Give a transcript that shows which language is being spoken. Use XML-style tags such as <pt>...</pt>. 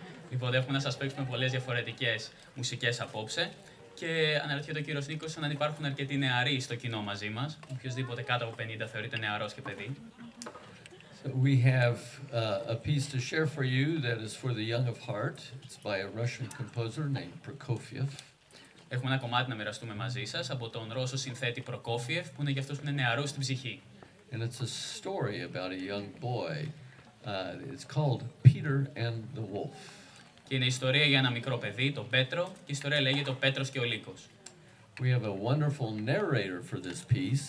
<el>Λοιπόν, έχουμε να σας παίξουμε πολλές διαφορετικές μουσικές απόψε. Και αναρωτιέται ο κύριος Νίκος αν υπάρχουν αρκετοί νεαροί στο κοινό μαζί μας. Οποιοςδήποτε κάτω από 50 θεωρείται νεαρός και παιδί.</el> <en>So we have a piece to share for you that is for the young of heart. It's by a Russian composer named Prokofiev.</en> <el>Έχουμε ένα κομμάτι να μοιραστούμε μαζί σας από τον Ρώσο συνθέτη Prokofiev, που είναι για αυτούς που είναι νεαρούς στην ψυχή.</el> <en>And it's a story about a young boy. It's called Peter and the Wolf.</en> <el>Και είναι ιστορία για ένα μικρό παιδί, τον Πέτρο, και η ιστορία λέγεται «Ο Πέτρος και ο Λύκος».</el> <en>We have a wonderful narrator for this piece.</en>